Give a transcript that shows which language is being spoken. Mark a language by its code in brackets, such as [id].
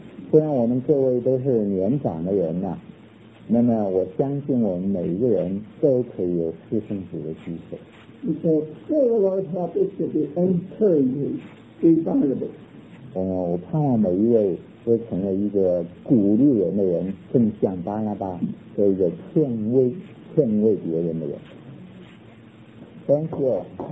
[zh] 虽然我们各位都是年长的人啊，那么我相信我们每一个人都可以有侍奉主的机会。 [en] And so, pray the Lord's help is to be encouraging, be vulnerable. [zh] 我盼望每一位会成为一个鼓励人的人，正像巴拉巴，做一个劝慰别人的人。 [en] Thank you.